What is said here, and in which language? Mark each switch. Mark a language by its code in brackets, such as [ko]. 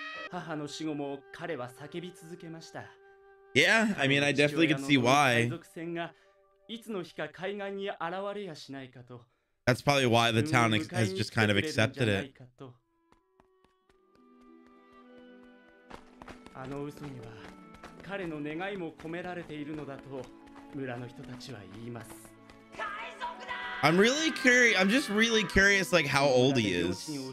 [ja] 母の死後も彼は叫び続けました。 [en] Yeah, I mean, I definitely could see why. That's probably why the town has just kind of accepted it. [ja] あの嘘には彼の願いも込められているのだと村の人たちは言います。 [en] I'm really curious. I'm just really curious, like how old he is.